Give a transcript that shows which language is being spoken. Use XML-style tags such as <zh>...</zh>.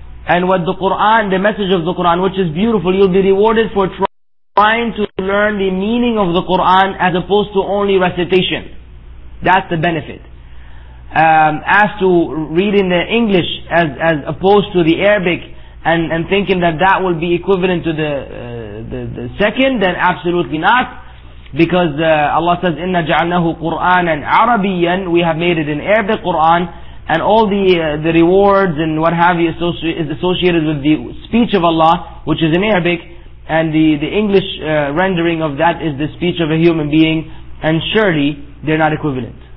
<en>And what the Quran, the message of the Quran, which is beautiful, you'll be rewarded for trying to learn the meaning of the Quran as opposed to only recitation. That's the benefit. As to reading the English as opposed to the Arabic and thinking that will be equivalent to the second, then absolutely not. Because Allah says,</en> <ar>إِنَّ جَعَلْنَهُ قُرْآنًا عَرَبِيًّا.</ar> <en>We have made it an Arabic Quran. And all the rewards and what have you is associated with the speech of Allah, which is in Arabic, and the English rendering of that is the speech of a human being, and surely they're not equivalent.</en>